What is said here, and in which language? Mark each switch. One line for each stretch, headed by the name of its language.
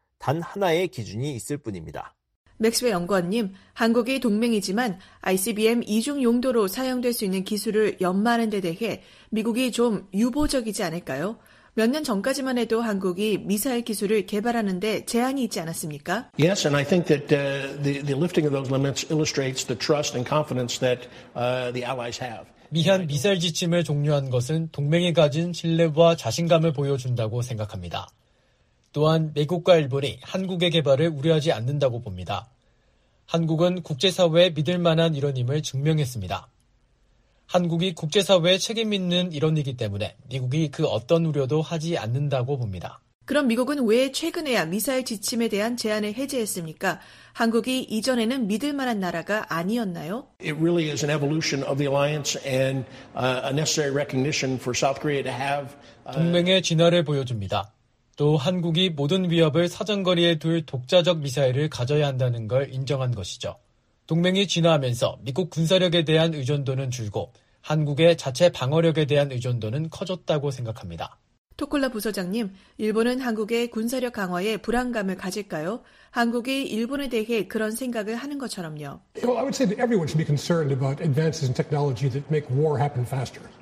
Korean: 단 하나의 기준이 있을 뿐입니다. 맥스웨 연구원님, 한국이 동맹이지만 ICBM 이중 용도로 사용될 수 있는 기술을 연마하는 데 대해 미국이 좀 유보적이지 않을까요? 몇 년 전까지만 해도 한국이 미사일 기술을 개발하는 데 제한이 있지 않았습니까?
English: Yes, and I think that the lifting of those limits illustrates the trust and confidence that the allies have.
Korean: 미한 미사일 지침을 종료한 것은 동맹이 가진 신뢰와 자신감을 보여준다고 생각합니다. 또한 미국과 일본이 한국의 개발을 우려하지 않는다고 봅니다. 한국은 국제사회에 믿을 만한 일원임을 증명했습니다. 한국이 국제사회에 책임 있는 일원이기 때문에 미국이 그 어떤 우려도 하지 않는다고 봅니다. 그럼 미국은 왜 최근에야 미사일 지침에 대한 제한을 해제했습니까? 한국이 이전에는 믿을 만한 나라가 아니었나요?
English: It really is an evolution of the alliance and a necessary recognition for South Korea to have
Korean: 동맹의 진화를 보여줍니다. 또 한국이 모든 위협을 사정거리에 둘 독자적 미사일을 가져야 한다는 걸 인정한 것이죠. 동맹이 진화하면서 미국 군사력에 대한 의존도는 줄고 한국의 자체 방어력에 대한 의존도는 커졌다고 생각합니다. 토콜라 부소장님, 일본은 한국의 군사력 강화에 불안감을 가질까요? 한국이 일본에 대해 그런 생각을 하는 것처럼요.
English: Well, I would say that everyone should be concerned about advances in technology that make war happen faster.